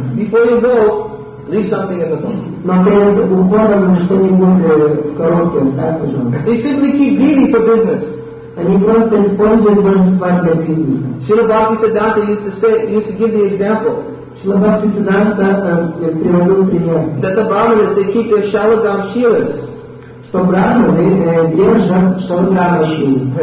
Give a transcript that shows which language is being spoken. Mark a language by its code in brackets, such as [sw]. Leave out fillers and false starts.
[en] Before you go, leave something in the home. [ru] Но перед уходом что-нибудь в коробке, так, пожалуйста. [en] They simply keep giving for business. [ru] Они просто используют божества для бизнеса. [en] Srila Bhakti Siddhanta used to give the example. [ru] Srila Bhakti Siddhanta приводил пример. [en] That the brahmanas, they keep their shalagram shilas. [ru] Что брахманы держат шалаграма шилы.